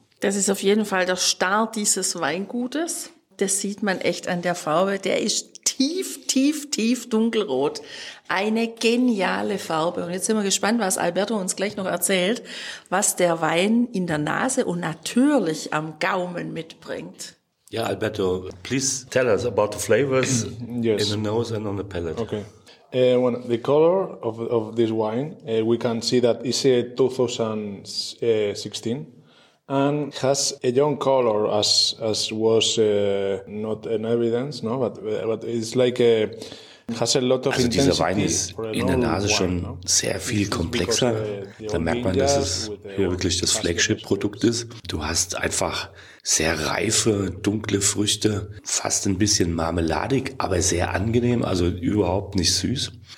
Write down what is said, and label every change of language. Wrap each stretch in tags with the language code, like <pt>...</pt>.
<de>Das ist auf jeden Fall der Start dieses Weingutes. Das sieht man echt an der Farbe. Der ist tief dunkelrot. Eine geniale Farbe. Und jetzt sind wir gespannt, was Alberto uns gleich noch erzählt, was der Wein in der Nase und natürlich am Gaumen mitbringt.</de> <en>Ja, Alberto, please tell us about the flavors yes. In the nose and on the palate. Okay. When the color of this wine, we can see that it's a 2016. And has a young color as was not an evidence, no, but it's like a, has a lot of also intensity.</en> <de>Dieser Wein ist in der Nase schon</de> <en>wine, no?</en> <de>Sehr viel komplexer. Da merkt man, dass es hier wirklich das Flagship-Produkt ist. Du hast einfach sehr reife, dunkle Früchte, fast ein bisschen marmeladig, aber sehr angenehm, also überhaupt nicht süß.</de>